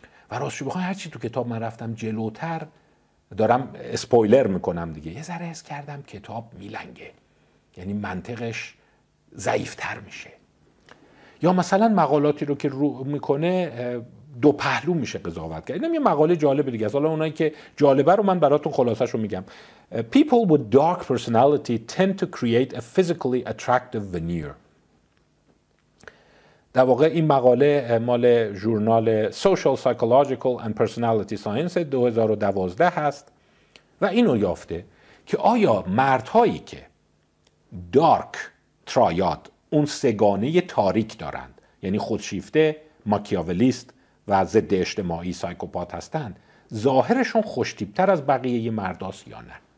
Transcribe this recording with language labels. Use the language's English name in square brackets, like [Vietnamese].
[Persian] و راستش بخوام هر چی تو کتاب من رفتم جلوتر، دارم اسپویلر میکنم دیگه، یه ذره حس کردم کتاب میلنگه، یعنی منطقش ضعیف‌تر میشه. یا مثلا مقالاتی رو که رو میکنه دو پهلو میشه قضاوت کرد. اینم یه مقاله جالبه دیگه. حالا اونایی که جالبه رو من براتون خلاصه‌شو میگم. [English] People with dark personality tend to create a physically attractive veneer. [Persian] در واقع این مقاله مال ژورنال Social Psychological and Personality Science 2012 هست و اینو یافته که آیا مردهایی که dark triad، اون سگانه تاریک دارند، یعنی خودشیفته، ماکیاولیست و ضد اجتماعی سایکوپات هستند، ظاهرشون خوشتیپتر از بقیه مرداست یا نه.